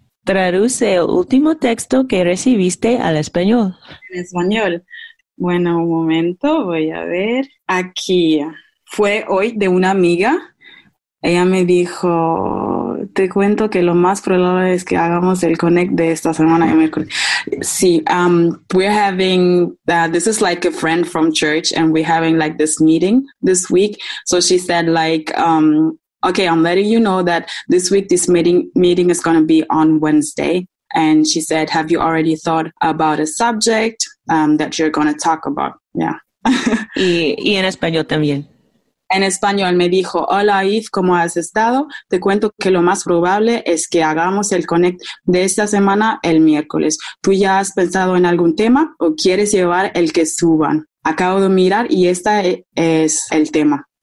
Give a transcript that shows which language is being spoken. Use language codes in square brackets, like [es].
[es] Traduce el último texto que recibiste al español. En español. Bueno, un momento, voy a ver. Aquí. Fue hoy de una amiga. Ella me dijo, te cuento que lo más probable es que hagamos el connect de esta semana de miércoles. Sí, [en] we're having, this is like a friend from church and we're having like this meeting this week. So she said like, okay, I'm letting you know that this week, this meeting is going to be on Wednesday. And she said, have you already thought about a subject that you're going to talk about? Yeah. [es] y en español también. En español me dijo, hola, Yves, ¿cómo has estado? Te cuento que lo más probable es que hagamos el connect de esta semana el miércoles. ¿Tú ya has pensado en algún tema o quieres llevar el que suban? Acabo de mirar y este es el tema.